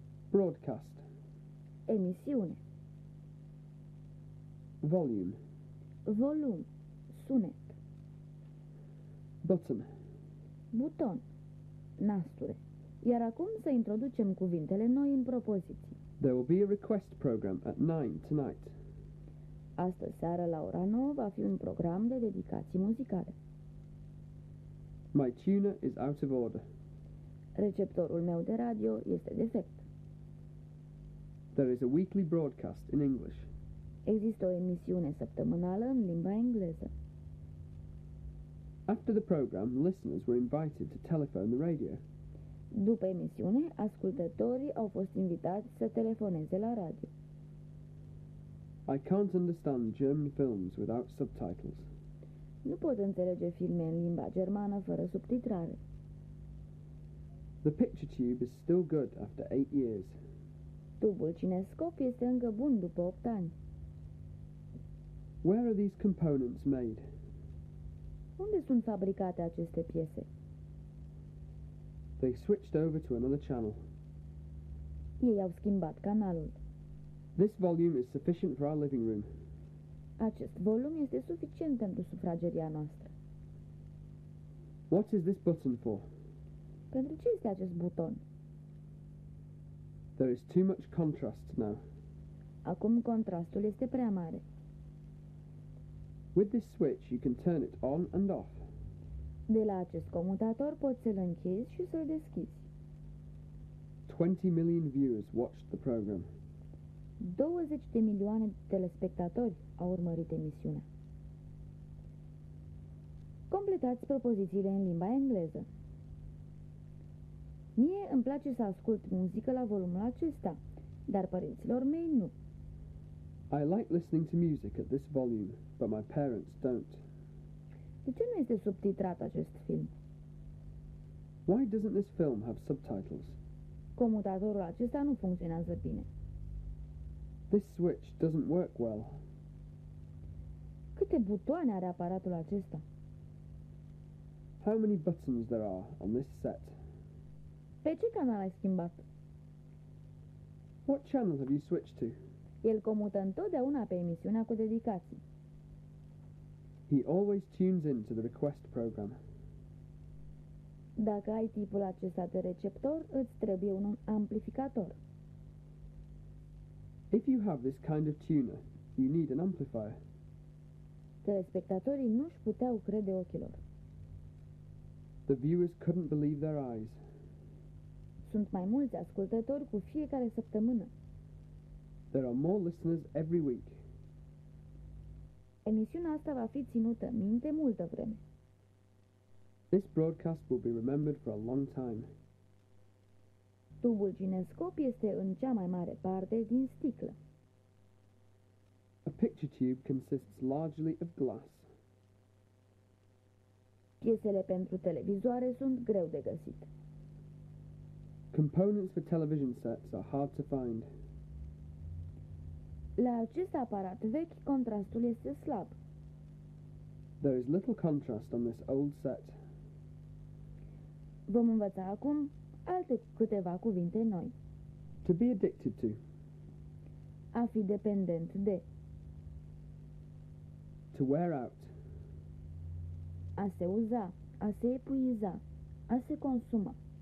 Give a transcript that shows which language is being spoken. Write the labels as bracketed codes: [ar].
[en] Broadcast. [ro] Emisiune. [en] Volume. [ro] Volum, sunet. [en] Button. [ro] Buton, nasture. Iar acum să introducem cuvintele noi în propoziții. [en] There will be a request program at 9 tonight. [ro] Astăzi seară la ora 9 va fi un program de dedicații muzicale. [en] My tuner is out of order. [ro] Receptorul meu de radio este defect. [en] There is a weekly broadcast in English. [ro] Există o emisiune săptămânală în limba engleză. [en] After the program, listeners were invited to telephone the radio. [ro] După emisiune, ascultătorii au fost invitați să telefoneze la radio. [en] I can't understand German films without subtitles. [ro] Nu pot înțelege filme în limba germană fără subtitrare. [en] The picture tube is still good after 8 years. [ro] Tubul cinescop este încă bun după 8 ani. [en] Where are these components made? [ro] Unde sunt fabricate aceste piese? [en] They switched over to another channel. [ro] Ei au schimbat canalul. [en] This volume is sufficient for our living room. [ro] Acest volum este suficient pentru sufrageria noastră. [en] What is this button for? [ro] Pentru ce este acest buton? [en] There is too much contrast now. [ro] Acum contrastul este prea mare. [en] With this switch you can turn it on and off. [ro] De la acest comutator poți să-l închizi și să-l deschizi. [en] 20 million viewers watched the program. [ro] 20 de milioane de telespectatori au urmărit emisiunea. Completați propozițiile în limba engleză. Mie îmi place să ascult muzică la volumul acesta, dar părinților mei nu. [en] I like listening to music at this volume, but my parents don't. [ro] De ce nu este subtitrat acest film? [en] Why doesn't this film have subtitles? [ro] Comutatorul acesta nu funcționează bine. [en] This switch doesn't work well. [ro] Câte butoane are aparatul acesta? [en] How many buttons there are on this set? [ro] Pe ce canal ai schimbat? [en] What channel have you switched to? [ro] El comută întotdeauna pe emisiunea cu dedicații. [en] He always tunes in to the request program. [ro] Dacă ai tipul acesta de receptor, îți trebuie un amplificator. [en] If you have this kind of tuner, you need an amplifier. [ro] Telespectatorii nu-și puteau crede ochilor. [en] The viewers couldn't believe their eyes. [ro] Sunt mai mulți ascultători cu fiecare săptămână. [en] There are more listeners every week. [ro] Emisiunea asta va fi ținută minte multă vreme. [en] This broadcast will be remembered for a long time. [ro] Tubul cinescop este în cea mai mare parte din sticlă. [en] A picture tube consists largely of glass. [ro] Piesele pentru televizoare sunt greu de găsit. [en] Components for television sets are hard to find. [ro] La acest aparat vechi, contrastul este slab. [en] There is little contrast on this old set. [ro] Vom învăța acum alte câteva cuvinte noi. [en] To be addicted to. [ro] A fi dependent de. [en] To wear out. [ro] A se uza, a se epuiza, a se consuma.